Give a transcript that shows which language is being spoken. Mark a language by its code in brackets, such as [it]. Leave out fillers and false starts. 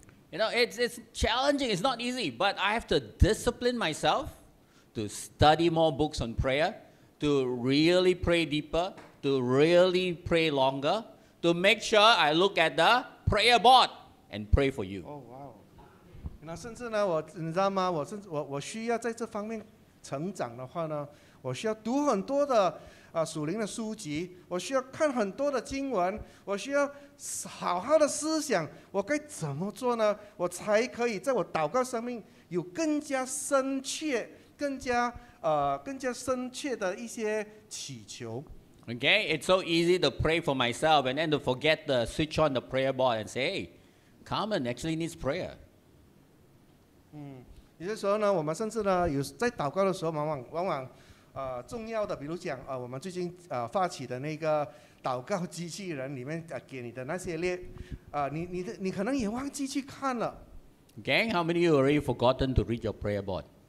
[en] You know, it's challenging, it's not easy, but I have to discipline myself to study more books on prayer, to really pray deeper, to really pray longer, to make sure I look at the prayer board and pray for you. [zh] Oh, wow. 那甚至呢，你知道吗？我需要在这方面成长的话呢，我需要读很多的属灵的书籍，我需要看很多的经文，我需要好好的思想，我该怎么做呢？我才可以在我祷告生命有更加深切、更加深切的一些祈求。 [en] Okay, it's so easy to pray for myself and then to forget to switch on the prayer board and say, "Hey, Carmen actually needs prayer." [zh] 有些时候呢，我们甚至呢，有在祷告的时候，往往。重要的，比如讲我们最近发起的那个祷告机器人里面给你的那些列，你可能也忘记去看了。 [en] Gang, how many of you already forgotten to read your prayer board?